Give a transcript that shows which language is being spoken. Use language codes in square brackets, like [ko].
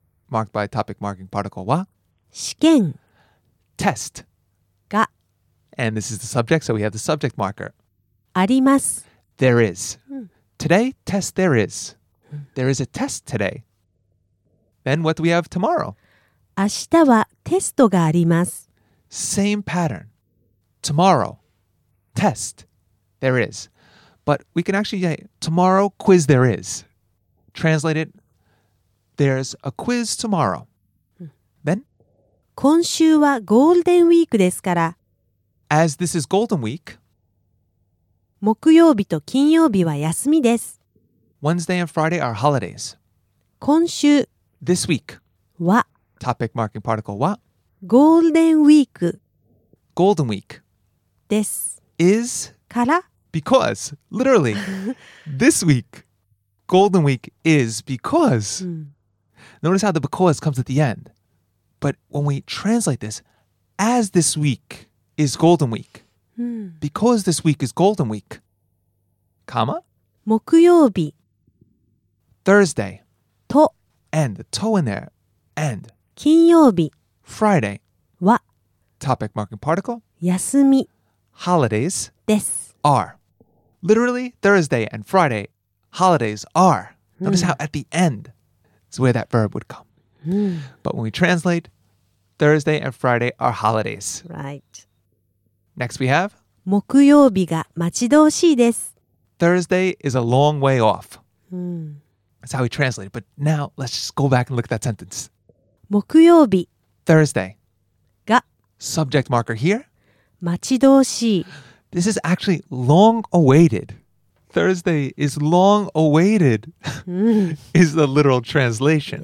[en] Marked by a topic marking particle. [ja] は. 試験. [en] Test. [ja] が. [en] And this is the subject, so we have the subject marker. [ja] あります. [en] There is. Today, test there is. There is a test today. Then what do we have tomorrow? [ja] 明日はテストがあります。 [en] Same pattern. Tomorrow. Test. There is. But we can actually say, tomorrow quiz there is. Translate it, there's a quiz tomorrow. Then? [ja] 今週はゴールデンウィークですから。 [en] As this is Golden Week, [ja] 木曜日と金曜日は休みです。 [en] Wednesday and Friday are holidays. [ja] 今週 [en] This week [ja] は [en] Topic marking particle は [ja] ゴールデンウィーク [en] Golden Week [ja] です。 [en] Is [ja] から [en] Because, literally, this week, Golden Week is because. Notice how the because comes at the end. But when we translate this, as this week is Golden Week, because this week is Golden Week, comma, [ja] 木曜日 [en] Thursday, [ja] と [en] and the to in there, and [ja] 金曜日 [en] Friday, [ja] は [en] topic marking particle, [ja] 休み [en] holidays, [ja] です [en] are. Literally, Thursday and Friday, holidays are. Notice how at the end is where that verb would come. But when we translate, Thursday and Friday are holidays. Right. Next we have [ja] 木曜日が待ち遠しいです。 [en] Thursday is a long way off. That's how we translate it. But now, let's just go back and look at that sentence. [ja] 木曜日 [en] Thursday [ja] が [en] Subject marker here [ja] 待ち遠しい。 [en] This is actually long-awaited. Thursday is long-awaited, is the literal translation.